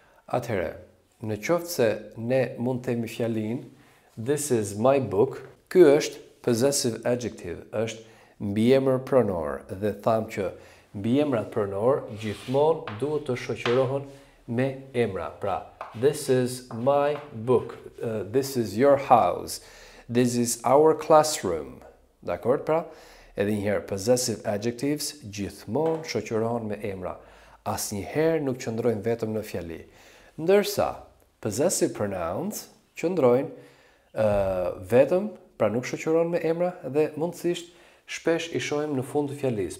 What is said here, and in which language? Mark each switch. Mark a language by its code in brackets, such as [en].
[sq] Atëherë, në qoftë se ne mund themi fjalin, [en] this is my book, [sq] ky është possessive adjective, është mbiemër pronor, dhe thamë që mbiemrat pronor gjithmonë duhet të shoqërohen me emra. [en] Pra, this is my book, this is your house, this is our classroom. [sq] Dakord, pra? Edhe njëherë, possessive adjectives gjithmonë shoqërohen me emra. Asnjëherë nuk qëndrojnë vetëm në fjali. Ndërsa, possessive pronouns qëndrojnë vetëm, pra nuk shoqëron me emra, dhe mundësisht shpesh i shohim në fund të fjalis.